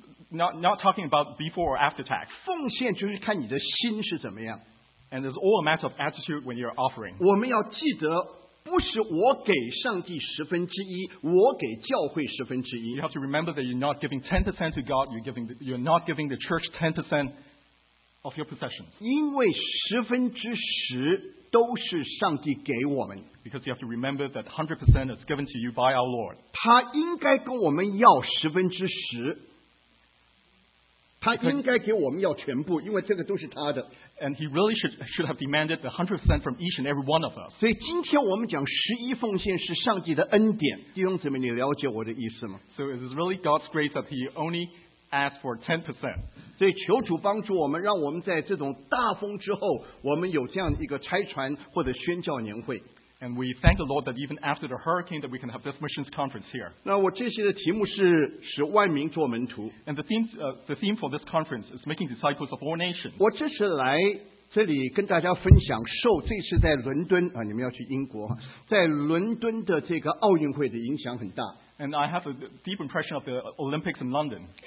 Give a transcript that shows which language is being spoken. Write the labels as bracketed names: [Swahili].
[English] not talking about before or after tax. [Chinese] 奉献就是看你的心是怎么样, [English] and it's all a matter of attitude when you're offering. [Chinese] 我们要记得不是我给上帝十分之一, 我给教会十分之一。 [English] You have to remember that you're not giving 10% to God, you're not giving the church 10% of your possessions. [Chinese] 因为十分之十都是上帝给我们, [English] because you have to remember that 100% is given to you by our Lord. [Chinese] 他应该跟我们要十分之十, 他应该给我们要全部, 因为这个都是他的。 [English] And he really should have demanded the 100% from each and every one of us. [Chinese] 所以今天我们讲十一奉献是上帝的恩典。弟兄姊妹, 你了解我的意思吗? [English] So it is really God's grace that he only ask for 10%. [Chinese] 所以求主帮助我们，让我们在这种大风之后，我们有这样一个拆船或者宣教年会。 [English] And we thank the Lord that even after the hurricane that we can have this missions conference here. [Chinese] 那我这些的题目是使万民做门徒。 [English] And the theme for this conference is making disciples of all nations. [Chinese] 我这次来这里跟大家分享受这次在伦敦，你们要去英国，在伦敦的这个奥运会的影响很大。 [English] And I have a deep impression of the Olympics in London.